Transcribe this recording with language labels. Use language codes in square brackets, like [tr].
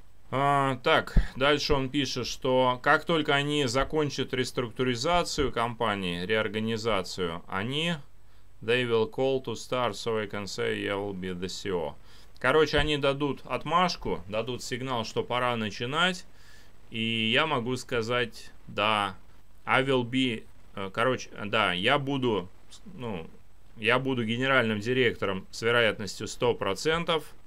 [ru] Так, дальше он пишет, что как только они закончат реструктуризацию компании, реорганизацию, они... [en] They will call to start, so I can say I will be the CEO. [ru] Короче, они дадут отмашку, дадут сигнал, что пора начинать. И я могу сказать, да, [en] I will be, [ru] короче, да, я буду генеральным директором с вероятностью 100%.